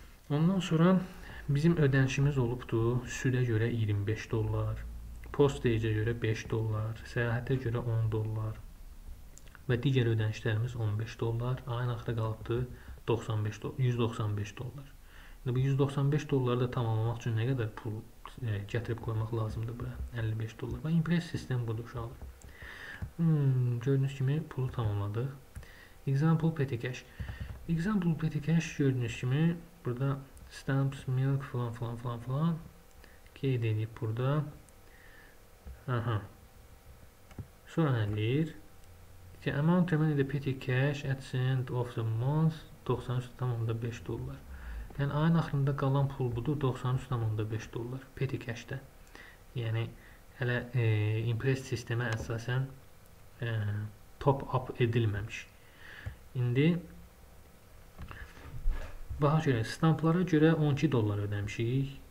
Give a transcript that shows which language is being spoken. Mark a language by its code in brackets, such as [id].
[az] Ondan sonra bizim ödənişimiz olubdu. Südə görə 25 dollar, postage-ə görə 5 dollar, səyahətə görə 10 dollar və digər ödənişlərimiz 15 dollar. Ayın axırı qalıbdı 195 dollar. İndi bu 195 dolları da tamamlamaq üçün nə qədər pul gətirib qoymaq lazımdır bura? 55 dollar. Və impress sistem budur uşaqlar. Gördüyünüz kimi pulu tamamladıq. [en] Example petty cash. [az] Example petty cash gördüyünüz kimi burada stamps, milk falan qeyd edib burada. Aha. Sonra nə deyir? [en] The amount remaining in the petty cash at the end of the month 93.5 dollar. [az] Yəni ayın axırında qalan pul budur 93.5 dollar petty cash-də. Yəni hələ impress sistemə əsasən top up edilməmiş. İndi baxa görə stamplara görə 12 dollar ödəmişik.